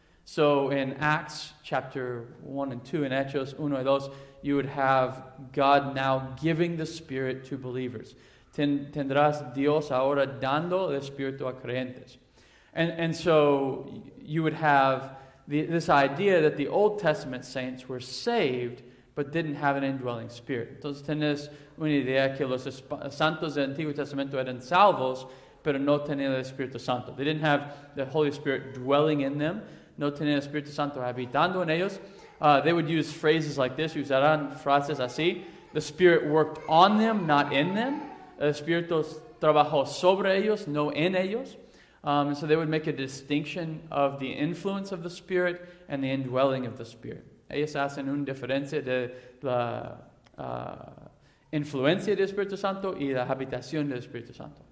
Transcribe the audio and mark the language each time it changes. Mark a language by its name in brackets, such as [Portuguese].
[English] So in Acts chapter 1 and 2, in [Spanish] Hechos 1 y 2, [English] you would have God now giving the Spirit to believers. [Spanish] Tendrás Dios ahora dando el Espíritu a creyentes. [English] And so you would have this idea that the Old Testament saints were saved but didn't have an indwelling spirit. [Spanish] Entonces tenés una idea que los santos del Antiguo Testamento eran salvos, pero no tenían el Espíritu Santo. [English] They didn't have the Holy Spirit dwelling in them. [Spanish] No tenían el Espíritu Santo habitando en ellos. [English] They would use phrases like this. [Spanish] Usarán frases así. [English] The Spirit worked on them, not in them. [Spanish] El Espíritu trabajó sobre ellos, no en ellos. [English] So they would make a distinction of the influence of the Spirit and the indwelling of the Spirit. [Spanish] Ellos hacen una diferencia de la influencia del Espíritu Santo y la habitación del Espíritu Santo.